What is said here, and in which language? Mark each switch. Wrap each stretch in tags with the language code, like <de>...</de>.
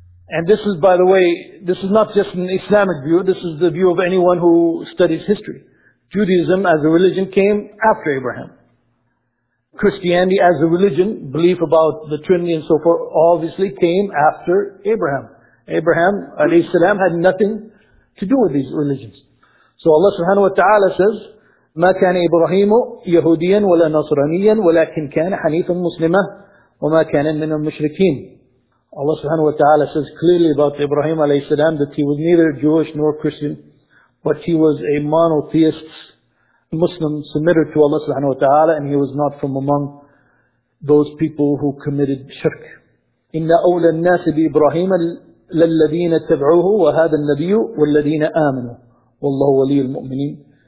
<en>And this is, by the way, this is not just an Islamic view, this is the view of anyone who studies history. Judaism as a religion came after Abraham. Christianity as a religion, belief about the Trinity and so forth, obviously came after Abraham. Abraham, alayhi salam, had nothing to do with these religions. So Allah subhanahu wa ta'ala says,</en> <ar>مَا كَانَ إِبْرَهِيمُ يَهُودِيًا وَلَا نَصْرَانِيًا وَلَكِنْ كَانَ حَنِيفًا مُسْلِمًا وَمَا كَانَ مِنَ الْمُشْرِكِينَ.</ar> <en>Allah subhanahu wa ta'ala says clearly about Ibrahim alayhi salam that he was neither Jewish nor Christian, but he was a monotheist Muslim submitted to Allah subhanahu wa ta'ala, and he was not from among those people who committed shirk.</en> <ar>إِنَّ أَوْلَى النَّاسِ بِإِبْرَهِيمَ لَلَّذِينَ تَبْعُوهُ وَهَذَا النَّبِيُّ وَالَّذِينَ آمَنُوا وَاللَّهُ وَلِيُّ الْمُؤْمِنِينَ.</ar>